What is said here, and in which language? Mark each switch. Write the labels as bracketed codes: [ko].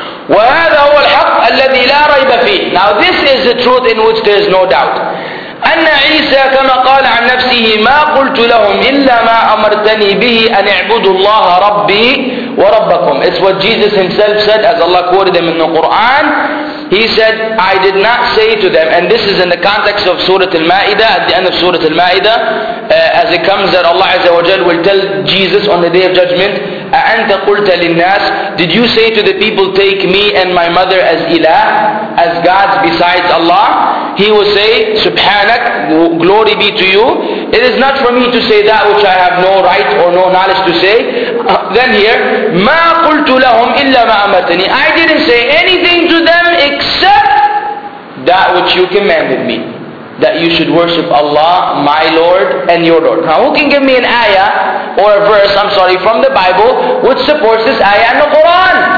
[ar] وهذا هو الحق الذي لا ريب فيه. [en] Now this is the truth in which there is no doubt. [ar] أن عيسى كما قال عن نفسه ما قلت لهم إلا ما أمرتني به أن اعبدوا الله ربي وربكم. [en] It's what Jesus himself said, as Allah quoted him in the Quran. He said, I did not say to them, and this is in the context of Surah Al-Ma'idah, at the end of Surah Al-Ma'idah, as it comes that Allah Azza wa Jal will tell Jesus on the Day of Judgment, [ar] أَأَنْتَ قُلْتَ لِلنَّاسِ. [en] Did you say to the people, take me and my mother as ilah, as gods besides Allah? He will say, Subhanak, glory be to you. It is not for me to say that which I have no right or no knowledge to say. Then here, [ar] مَا قُلْتُ لَهُمْ إِلَّا مَا أَمَتَنِي. [en] I didn't say anything to them except that which you commanded me, that you should worship Allah, my Lord, and your Lord. Now who can give me an ayah, or a verse, I'm sorry, from the Bible, which supports this ayah in the Quran?